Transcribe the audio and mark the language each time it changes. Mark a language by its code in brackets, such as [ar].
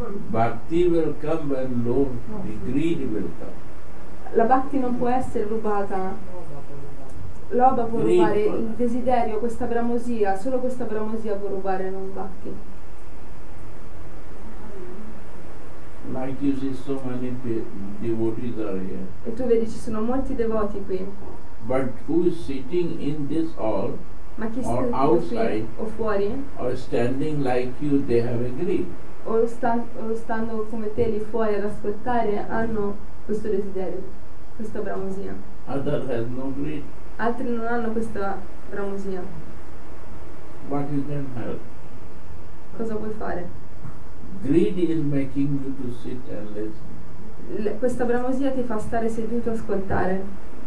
[en] Bhakti will come when the greed will come. [it] La bhakti non può essere rubata. Loba può rubare il desiderio, questa bramosia, solo questa bramosia può rubare, non bhakti. [en] Like you see so many devotees are here. [it] E tu vedi ci sono molti devoti qui. [en] But who is sitting in this hall? [it] Ma chi [en] or [it] sta [en] outside, [it] o fuori? [en] Or standing like you, they have a greed. [it] O stando come te lì fuori ad ascoltare, hanno questo desiderio, questa bramosia. [en] Other has no greed. [it] Altri non hanno questa bramosia. [en] What you can help? [it] Cosa vuoi fare? [en] Greed is making you to sit and listen. [it] Questa bramosia ti fa stare seduto a ascoltare.